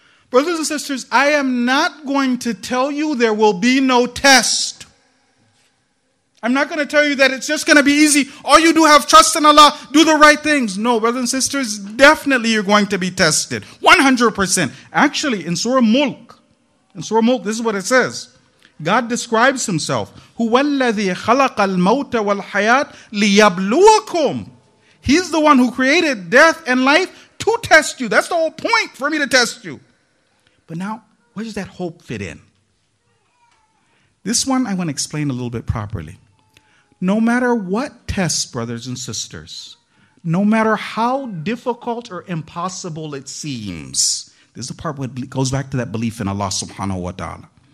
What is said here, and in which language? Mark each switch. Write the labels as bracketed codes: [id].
[en] Brothers and sisters, I am not going to tell you there will be no test. I'm not going to tell you that it's just going to be easy. All you do, have trust in Allah. Do the right things. No, brothers and sisters, definitely you're going to be tested. 100%. Actually, in Surah Mulk, this is what it says. God describes himself. [ar] هو الذي خلق الموت والحياة ليبلوكم. [en] He's the one who created death and life to test you. That's the whole point, for me to test you. But now, where does that hope fit in? This one I want to explain a little bit properly. No matter what test, brothers and sisters, no matter how difficult or impossible it seems, this is the part where it goes back to that belief in Allah subhanahu wa ta'ala.